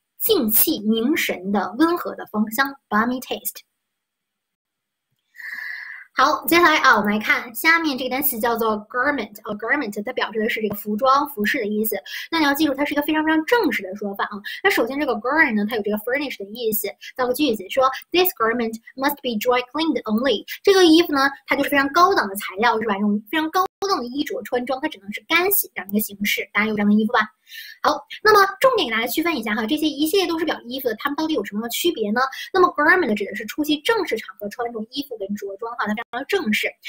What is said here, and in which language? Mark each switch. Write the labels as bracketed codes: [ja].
[zh] 静气凝神的温和的芳香， [en] balmy taste。 [zh] 好，接下来啊，我们来看下面这个单词叫做 garment 啊，garment 它表示的是这个服装、服饰的意思。那你要记住，它是一个非常非常正式的说法啊。那首先这个 garment 呢，它有这个 furnish 的意思。造个句子说， [en] This garment must be dry cleaned only。 [zh] 这个衣服呢，它就是非常高档的材料，是吧？这种非常高档的衣着穿装，它只能是干洗这样一个形式。大家有这样的衣服吧？好，那么重点给大家区分一下哈，这些一系列都是表衣服的，它们到底有什么样的区别呢？那么 garment 指的是出席正式场合穿的这种衣服跟着装哈，它非常正式。